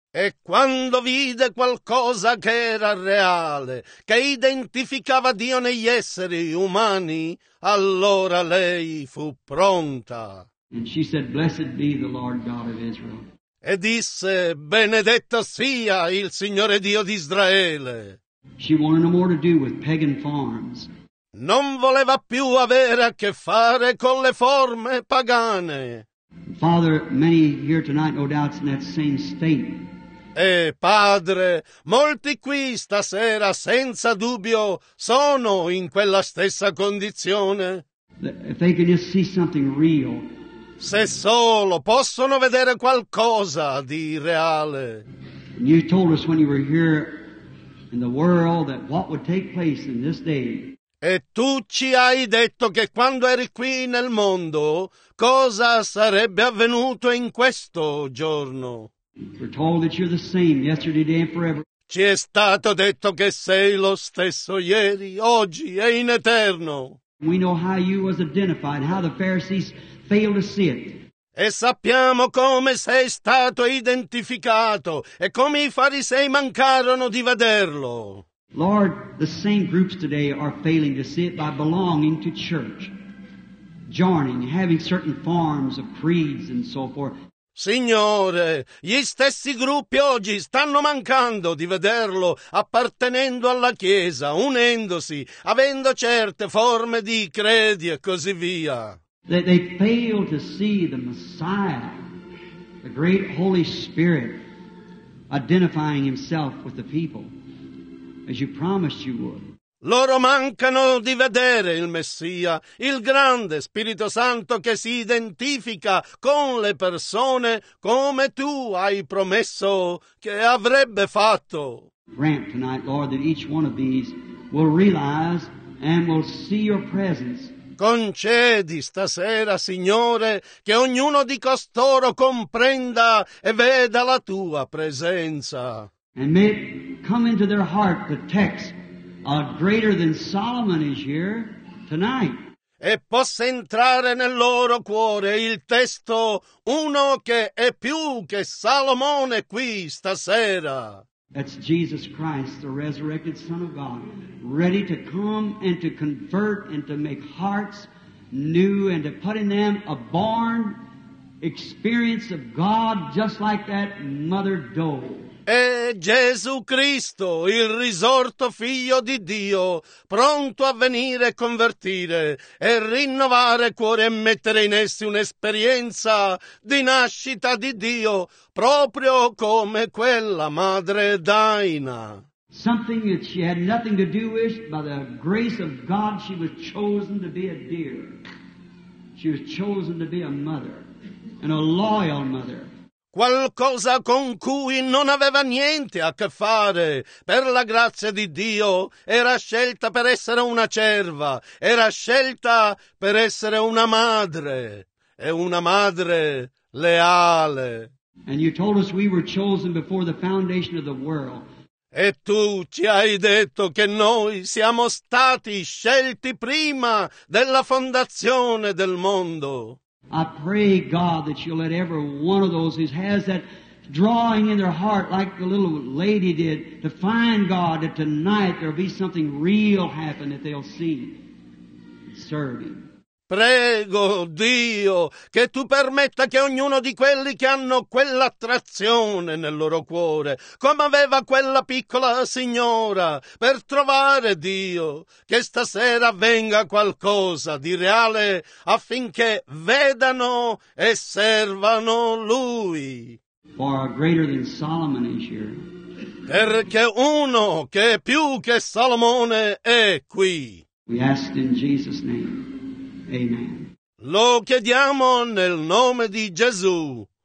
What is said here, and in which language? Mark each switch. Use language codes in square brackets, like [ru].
[it] E quando vide qualcosa che era reale, che identificava Dio negli esseri umani, allora lei fu pronta. [en] And she said, "Blessed be the Lord God of Israel." [it] E disse, "Benedetto sia il Signore Dio di Israele." [en] She wanted no more to do with pagan farms. [it] Non voleva più avere a che fare con le forme pagane. [en] Father, many here tonight, no doubt, in that same state. [it] E padre, molti qui stasera, senza dubbio, sono in quella stessa condizione. [en] If they can just see something real. [it] Se solo possono vedere qualcosa di reale. [en] You told us when you were here in the world that what would take place in this day. [it] E tu ci hai detto che quando eri qui nel mondo cosa sarebbe avvenuto in questo giorno. [en] We're told that you're the same yesterday, today and forever. [it] Ci è stato detto che sei lo stesso ieri, oggi e in eterno. [en] We know how you was identified, how the Pharisees failed to see it. [it] E sappiamo come sei stato identificato e come i farisei mancarono di vederlo. [en] Lord, the same groups today are failing to see it by belonging to church, joining, having certain forms of creeds and so forth. [it] Signore, gli stessi gruppi oggi stanno mancando di vederlo appartenendo alla Chiesa, unendosi, avendo certe forme di credi e così via. [en] They fail to see the Messiah, the great Holy Spirit, identifying himself with the people, as you promised you would. [it] Loro mancano di vedere il Messia, il grande Spirito Santo che si identifica con le persone come tu hai promesso che avrebbe fatto. [en] Grant tonight, Lord, that each one of these will realize and will see your presence. [it] Concedi stasera, Signore, che ognuno di costoro comprenda e veda la tua presenza. [en] And may it come into their heart the text. A greater than Solomon is here tonight. [it] E possa entrare nel loro cuore il testo uno che è più che Salomone qui stasera. [en] That's Jesus Christ, the resurrected Son of God, ready to come and to convert and to make hearts new and to put in them a born experience of God just like that mother doe. [it] È Gesù Cristo, il risorto figlio di Dio, pronto a venire e convertire e rinnovare cuore e mettere in essi un'esperienza di nascita di Dio, proprio come quella madre Daina. [en] Something that she had nothing to do with, by the grace of God she was chosen to be a dear. She was chosen to be a mother, and a loyal mother. [it] Qualcosa con cui non aveva niente a che fare. Per la grazia di Dio era scelta per essere una cerva, era scelta per essere una madre, e una madre leale. [en] And you told us we were chosen before the foundation of the world. [it] E tu ci hai detto che noi siamo stati scelti prima della fondazione del mondo. [en] I pray, God, that you'll let every one of those who has that drawing in their heart, like the little lady did, to find God, that tonight there'll be something real happen that they'll see and serve Him. [it] Prego, Dio, che tu permetta che ognuno di quelli che hanno quell'attrazione nel loro cuore, come aveva quella piccola signora, per trovare Dio, che stasera venga qualcosa di reale affinché vedano e servano Lui. [en] For greater than Solomon is here. [it] perché uno che è più che Salomone è qui. [en] We ask in Jesus' name. Amen. [it] Lo chiediamo nel nome di Gesù.